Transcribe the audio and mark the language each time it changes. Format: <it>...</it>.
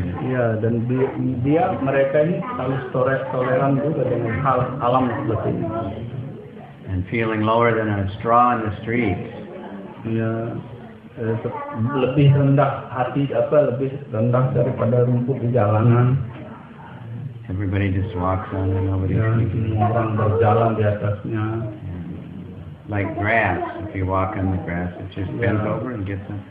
<id>Ya, dan dia mereka ini selalu toleran juga dengan hal alam seperti ini.</id> <en>And feeling lower than a straw in the streets.</en> <id>Ya, lebih rendah hati, lebih rendah daripada rumput di jalanan.</id> <en>Everybody just walks on and nobody</en> <id>thinks. Orang berjalan di atasnya.</id> <en>Like grass, if you walk on the grass, it just bends over and gets up.</en>